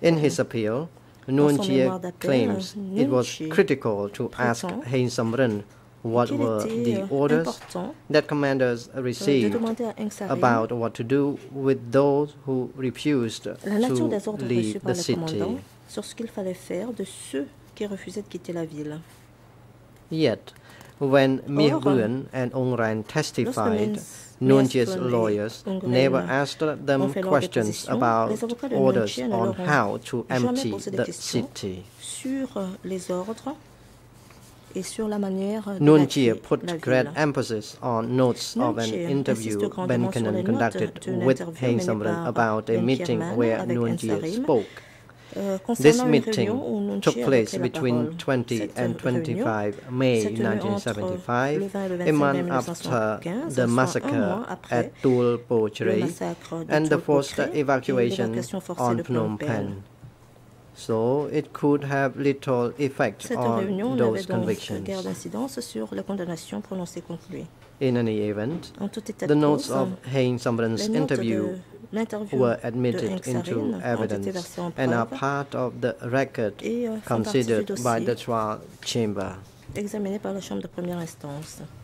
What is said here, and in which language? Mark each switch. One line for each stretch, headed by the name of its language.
English: In his appeal, Nguyen Chi claims it was critical to ask Heng Samrin what were the orders that commanders received about what to do with those who refused to leave the city.
French: Sur ce qu'il fallait faire de ceux qui refusaient de quitter la ville.
English: Yet, when Miet Nguyen and Ung Rein testified, Nguyen Chi's lawyers never asked them questions about orders on how to empty the city.
French: Sur les ordres et sur la manière de
English: Nguyen Chi put great emphasis on notes of an interview Ben Kenan conducted with Heng Samrin about a meeting where Nguyen Chi spoke. This meeting took place between 20 and 25 May 1975, a month after the massacre at Tul Po Chre and the forced evacuation on Phnom Penh. So it could have little effect on those convictions.
French: Cette réunion n'avait donc guère d'incidence sur la condamnation prononcée conclue.
English: In any event, the notes of Hein Sombrun's interview were admitted into evidence and are part of the record considered by the trial chamber.
French: Examinées par la chambre de première instance.